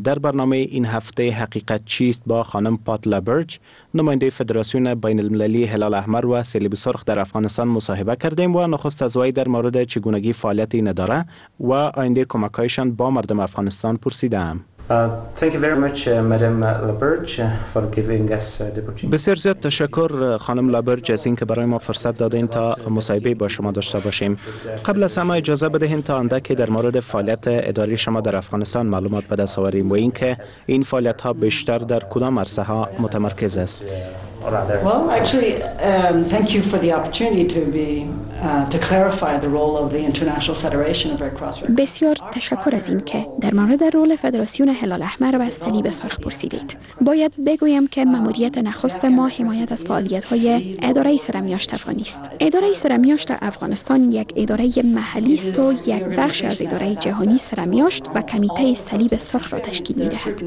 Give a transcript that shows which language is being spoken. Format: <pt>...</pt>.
<fa>در برنامه این هفته حقیقت چیست با خانم پاتلا برج، نماینده فدراسیون بین المللی هلال احمر و صلیب سرخ در افغانستان مصاحبه کردیم و نخست از وی در مورد چگونگی فعالیت این اداره و آینده کمک‌هایشان با مردم افغانستان پرسیدم.</fa> <en>Thank you very much, Madam LaBerge, for giving us the opportunity.</en> <fa>بسیار زیاد تشکر خانم لابرج از اینکه برای ما فرصت دادین تا مصاحبه با شما داشته باشیم. قبل از همه اجازه بدهین تا اندکی در مورد فعالیت اداری شما در افغانستان معلومات به دست آوریم و اینکه این فعالیت ها بیشتر در کدام عرصه ها متمرکز است.</fa> <en>Well, actually, thank you for the opportunity to be to clarify the role of the International Federation of Red Cross.</en> <fa>بسیار تشکر از این که در مورد رول فدراسیون هلال احمر و صلیب سرخ پرسیدید. باید بگویم که ماموریت نخست ما حمایت از فعالیت‌های اداره سرمیاشت افغانیست. اداره سرمیاشت افغانستان یک اداره محلی است و یک بخش از اداره جهانی سرمیاشت و کمیته صلیب سرخ را تشکیل می‌دهد.</fa>